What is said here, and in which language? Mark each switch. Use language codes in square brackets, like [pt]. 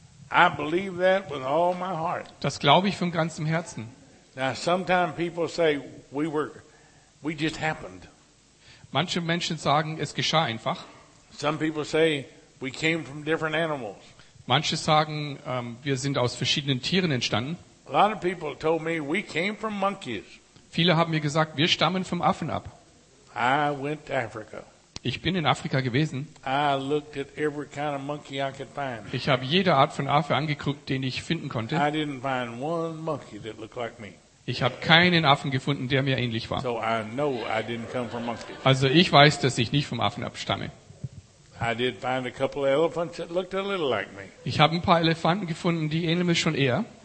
[en] I believe that with all my heart. [de] Das glaube ich von ganzem Herzen. [en] Now, sometimes people say we just happened. [de] Manche Menschen sagen, es geschah einfach. [en] Some people say we came from different animals. [de] Manche sagen, wir sind aus verschiedenen Tieren entstanden. [en] A lot of people told me we came from monkeys. [de] Viele haben mir gesagt, wir stammen vom Affen ab. [en] I went to Africa. [de] Ich bin in Afrika gewesen. [en] I looked at every kind of monkey I could find. [de] Ich habe jede Art von Affe angeguckt, den ich finden konnte. [en] I didn't find one monkey that looked like me. [de] Ich habe keinen Affen gefunden, der mir ähnlich war. [en] So I know I didn't come from monkeys. [de] Also ich weiß, dass ich nicht vom Affen abstamme. [en] I did find a couple of elephants that looked a little like me. [de] Ich habe ein paar Elefanten gefunden, die ähneln mir schon eher.